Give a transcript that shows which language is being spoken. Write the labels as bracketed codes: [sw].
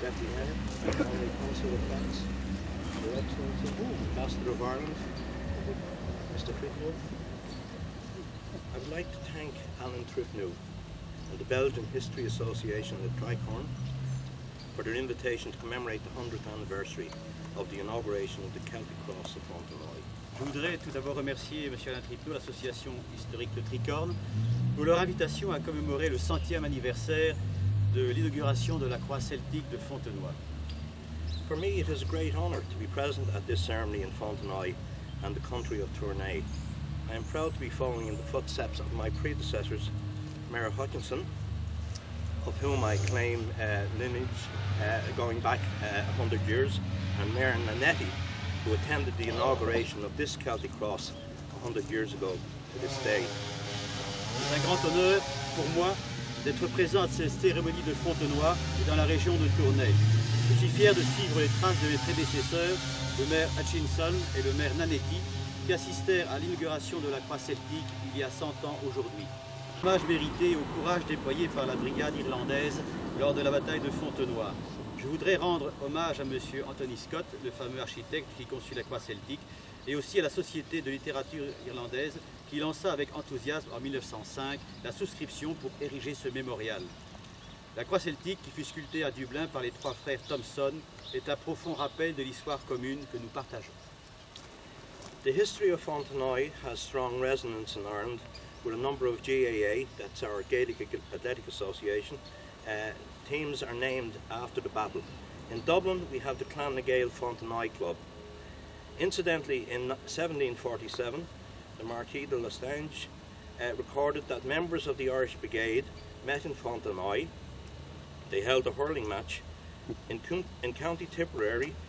[en] Deputy Mayor, the Council of France, Your Excellency, Ambassador of Ireland, Mr. Trudeau. I would like to thank Alan Trudeau and the Belgian History Association at Tricorn for their invitation to commemorate the 100th anniversary of the inauguration of the Celtic Cross of Fontenoy. [fr] Je voudrais tout d'abord remercier M. Alain Tripot, l'Association historique de Tricorn, pour leur invitation à commémorer le 100e anniversaire de l'inauguration de la croix celtique de Fontenoy. For me, it is a great honor to be present at this ceremony in Fontenoy and the country of Tournai. I am proud to be following in the footsteps of my predecessors, Mayor Hutchinson, of whom I claim lineage going back 100 years, and Mayor Nannetti, who attended the inauguration of this Celtic cross 100 years ago to this day. C'est un grand honneur pour moi d'être présent à cette cérémonie de Fontenoy et dans la région de Tournai. Je suis fier de suivre les traces de mes prédécesseurs, le maire Hutchinson et le maire Nannetti, qui assistèrent à l'inauguration de la croix celtique il y a 100 ans aujourd'hui. Hommage mérité au courage déployé par la brigade irlandaise lors de la bataille de Fontenoy. Je voudrais rendre hommage à M. Anthony Scott, le fameux architecte qui conçut la croix celtique, et aussi à la Société de littérature irlandaise qui lança avec enthousiasme en 1905 la souscription pour ériger ce mémorial. La croix celtique, qui fut sculptée à Dublin par les trois frères Thompson, est un profond rappel de l'histoire commune que nous partageons. [en] The history of Fontenoy has strong resonance in Ireland, with a number of GAA, that's our Gaelic Athletic Association, teams are named after the battle. In Dublin, we have the Clan na Gael Fontenoy Club. Incidentally, in 1747, the Marquis de Lestange recorded that members of the Irish Brigade met in Fontenoy. They held a hurling match. In County Tipperary,